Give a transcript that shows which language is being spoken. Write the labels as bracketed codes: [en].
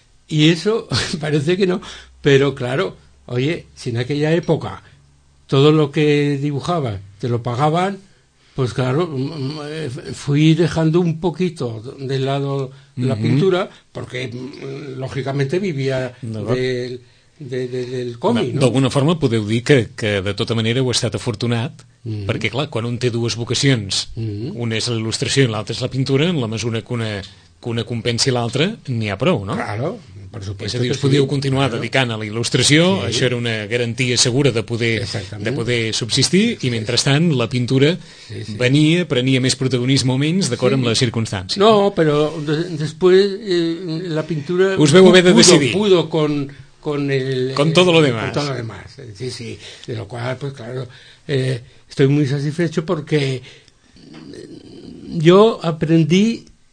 [es] Y eso parece que no, pero claro... Oye, si en aquella época todo lo que dibujaba te lo pagaban, pues claro, fui dejando un poquito de lado la pintura, porque lógicamente vivía del cómic, ¿no? [ca] D'alguna forma podeu dir que de tota manera heu estat afortunat, perquè clar, quan un té dues vocacions, una és la il·lustració i l'altra és la pintura, en la mesura que una compensi l'altra, n'hi ha prou, no? [es] Claro. [ca] Per [es] supuesto, [ca] és a dir, us podíeu continuar dedicant a la il·lustració, sí. Això era una garantia segura de poder subsistir, i mentrestant la pintura venia, prenia més protagonisme o menys, d'acord amb les circumstàncies. No, però després la pintura... Us veu haver de decidir. [es] Pudo con el... Con todo lo demás. Con todo lo demás, sí, sí. De lo cual, pues claro, estoy muy satisfecho porque yo aprendí...